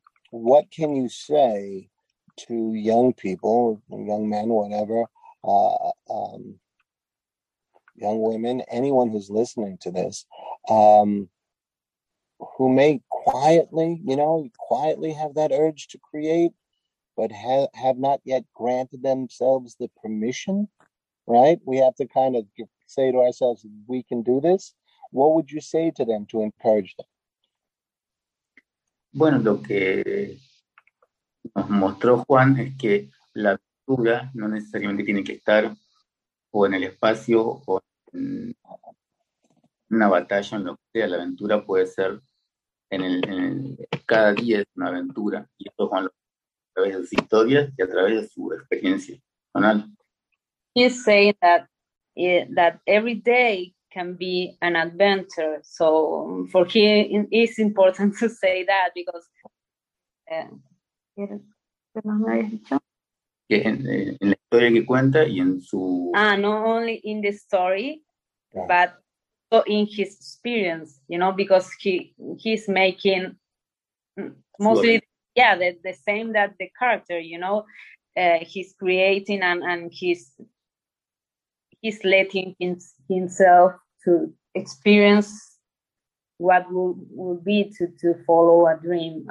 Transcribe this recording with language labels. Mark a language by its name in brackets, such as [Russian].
[English] What can you say to young people, young men, whatever, young women, anyone who's listening to this, who may quietly, you know, quietly have that urge to create, but have not yet granted themselves the permission, right? We have to kind of say to ourselves, we can do this. What would you say to them to encourage them? [Spanish] Bueno, lo que nos mostró Juan es que la aventura no necesariamente tiene que estar o en el espacio o en una batalla, en lo que sea. La aventura puede ser en el cada día es una aventura, y esto Juan lo a través de sus historias y a través de su experiencia personal. [English] He's saying that every day can be an adventure. So for him, it's important to say that because. [Spanish] En la historia que cuenta y en su. [English] Ah, not only in the story, yeah. But also in his experience, you know, because he's making mostly, yeah, the same that the character, you know, he's creating and he's letting himself to experience what would be to follow a dream.